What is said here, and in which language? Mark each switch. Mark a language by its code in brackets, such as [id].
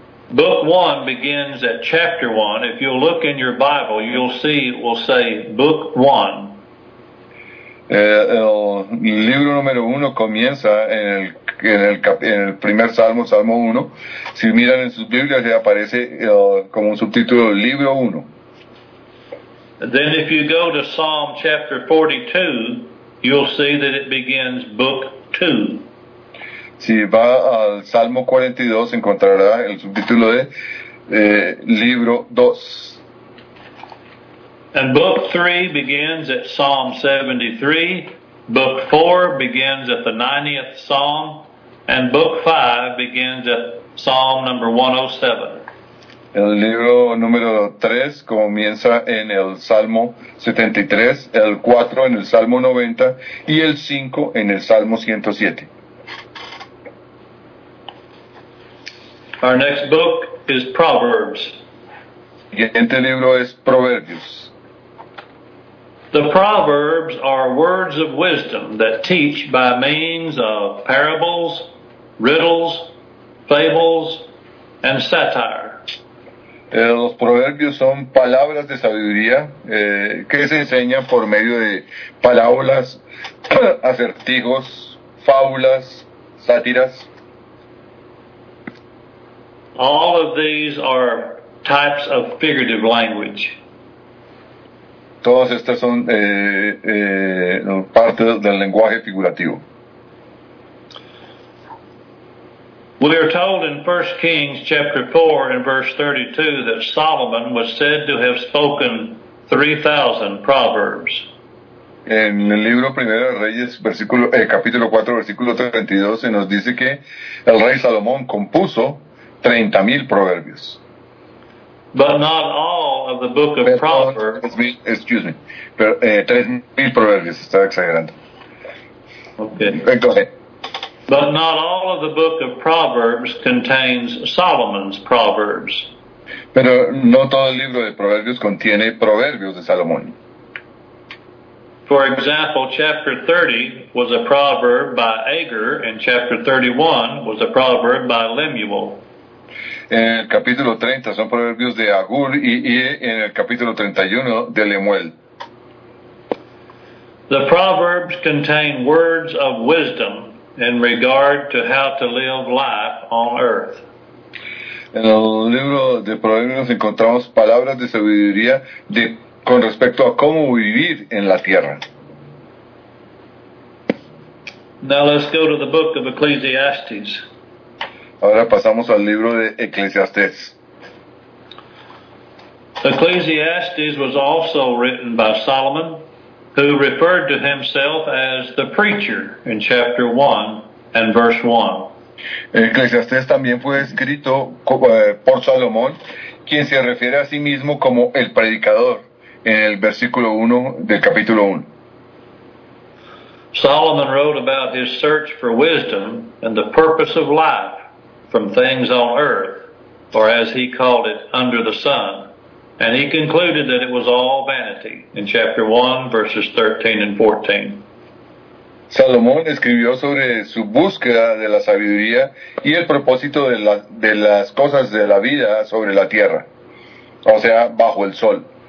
[en] Book 1 begins at chapter 1. If you'll look in your Bible, you'll see it will say book 1. [es] El libro número 1 comienza en el primer Salmo, Salmo 1. Si miran en sus Biblias, le aparece como un subtítulo, libro 1. [en] Then if you go to Psalm chapter 42, you'll see that it begins book 2. [es] Si va al Salmo 42, encontrará el subtítulo de Libro 2. [en] And book 3 begins at Psalm 73, book 4 begins at the 90th Psalm, and book 5 begins at Psalm number 107. [es] El libro número 3 comienza en el Salmo 73, el 4 en el Salmo 90, y el 5 en el Salmo 107. [en] Our next book is Proverbs. [es] El siguiente libro es Proverbios. [en] The Proverbs are words of wisdom that teach by means of parables, riddles, fables, and satire. [es] Los proverbios son palabras de sabiduría que se enseñan por medio de parábolas, acertijos, fábulas, sátiras. [en] All of these are types of figurative language. [es] Todas estas son parte del lenguaje figurativo. [en] We are told in 1 Kings chapter 4 and verse 32 that Solomon was said to have spoken 3,000 proverbs. [es] En el libro Primero de Reyes, versículo, capítulo 4, versículo 32, se nos dice que el rey Salomón compuso 30,000 proverbios. [en] But not all of the book of Proverbs. Excuse me. [es] Pero 3,000 proverbios, estaba exagerando. [en] Okay. Go ahead. But not all of the book of Proverbs contains Solomon's proverbs. [es] Pero no todo el libro de proverbios contiene proverbios de Salomón. [en] For example, chapter 30 was a proverb by Agur, and chapter 31 was a proverb by Lemuel. [es] En el capítulo 30 son proverbios de Agur y en el capítulo 31 de Lemuel. [en] The proverbs contain words of wisdom in regard to how to live life on earth. [es] En el libro de proverbios encontramos palabras de sabiduría con respecto a cómo vivir en la tierra. [en] Now let's go to the book of Ecclesiastes. [es] Ahora pasamos al libro de Eclesiastés. [en] Ecclesiastes was also written by Solomon, who referred to himself as the preacher in chapter 1 and verse 1. [es] Eclesiastés también fue escrito por Salomón, quien se refiere a sí mismo como el predicador en el versículo 1 del capítulo 1. [en] Solomon wrote about his search for wisdom and the purpose of life from things on earth, or as he called it, under the sun. And he concluded that it was all vanity in chapter 1, verses 13 and 14. [es] Salomón escribió sobre su búsqueda de la sabiduría y el propósito de las cosas de la vida sobre la tierra, o sea, bajo el sol.